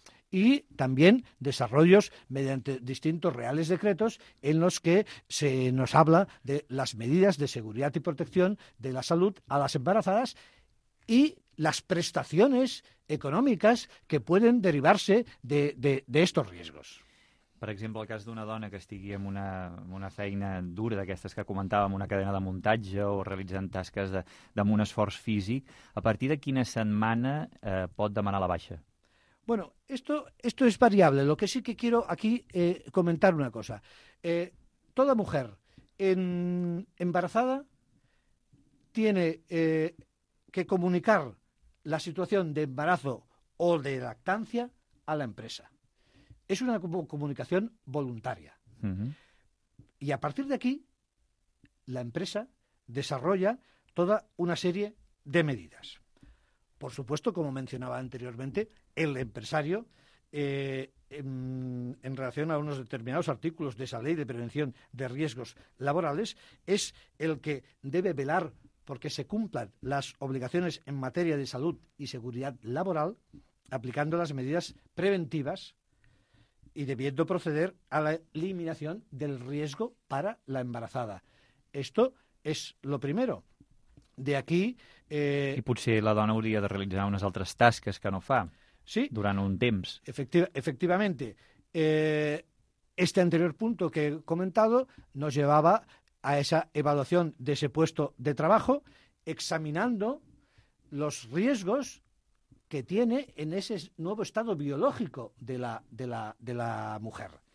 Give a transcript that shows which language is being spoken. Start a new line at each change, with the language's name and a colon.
Spanish: Y también desarrollos mediante distintos reales decretos en los que se nos habla de las medidas de seguridad y protección de la salud a las embarazadas y las prestaciones económicas que pueden derivarse de estos riesgos.
Catalan: Per exemple, el cas d'una dona que estigui en una feina dura d'aquestes que comentàvem, una cadena de muntatge o realitzant tasques amb un esforç físic, a partir de quina setmana pot demanar la baixa?
Spanish: Bueno, esto es variable. Lo que sí que quiero aquí comentar una cosa. Toda mujer embarazada tiene que comunicar la situación de embarazo o de lactancia a la empresa. Es una comunicación voluntaria. Uh-huh. Y a partir de aquí, la empresa desarrolla toda una serie de medidas. Por supuesto, como mencionaba anteriormente, el empresario, en relación a unos determinados artículos de esa Ley de Prevención de Riesgos Laborales, es el que debe velar porque se cumplan las obligaciones en materia de salud y seguridad laboral, aplicando las medidas preventivas y debiendo proceder a la eliminación del riesgo para la embarazada. Esto es lo primero. De aquí...
Catalan: I potser la dona hauria de realitzar unes altres tasques que no fa, sí, durant un temps.
Spanish: Efectivamente. Este anterior punto que he comentado nos llevaba a esa evaluación de ese puesto de trabajo, examinando los riesgos que tiene en ese nuevo estado biológico de la mujer.